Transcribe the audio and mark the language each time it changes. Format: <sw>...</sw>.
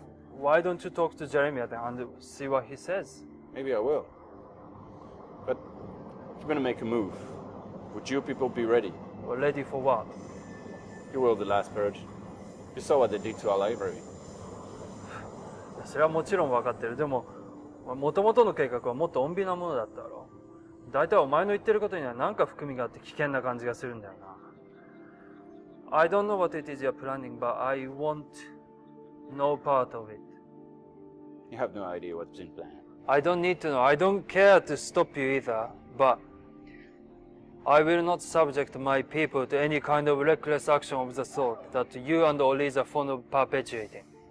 <en>Why don't you talk to Jeremiah and see what he says? Maybe I will. But if we're going to make a move, would you people be ready? Well, ready for what? You were the last purge. You saw what they did to our library.</en> <ja>それはもちろん分かってる。でも、元々の計画はもっと穏便なものだったろ。大体お前の言ってることには何か含みがあって危険な感じがするんだよな。</ja> <en>I don't know what it is you're planning, but I want no part of it. You have no idea what's in plan. I don't need to know. I don't care to stop you either, but I will not subject my people to any kind of reckless action of the sort that you and Oliz are fond of perpetuating.</en>